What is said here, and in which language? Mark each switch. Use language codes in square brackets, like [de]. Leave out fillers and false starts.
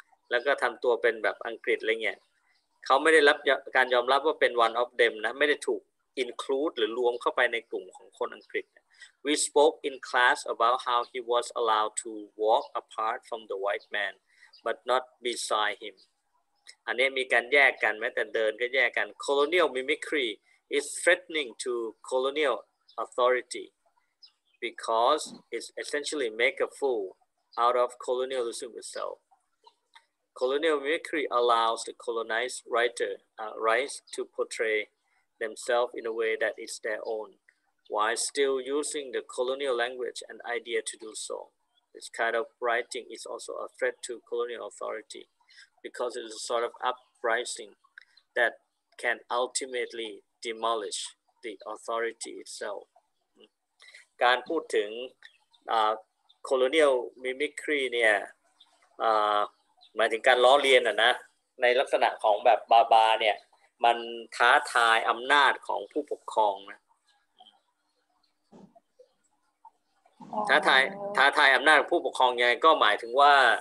[th] แล้วก็ทำตัวเป็นแบบอังกฤษอะไรเงี้ยเขาไม่ได้รับการยอมรับว่าเป็น [en] one of them [th] นะไม่ได้ถูก include หรือรวมเข้าไปในกลุ่มของคนอังกฤษ [en] We spoke in class about how he was allowed to walk apart from the white man but not beside him [th] อันนี้มีการแยกกันแม้แต่เดินก็แยกกัน [en] Colonial mimicry is threatening to colonial authority because it essentially make a fool out of colonialism itself. Colonial mimicry allows the colonized writer rights to portray themselves in a way that is their own, while still using the colonial language and idea to do so. This kind of writing is also a threat to colonial authority, because it is a sort of uprising that can ultimately demolish the authority itself. [th] การพูดถึง colonial mimicry เนี่ยหมายถึงการล้อเลียนอ่ะนะในลักษณะของแบบบาร์เนี่ยมันท้าทายอำนาจของผู้ปกครองนะท้าทายอำนาจผู้ปกครองยังไงก็หมายถึงว่า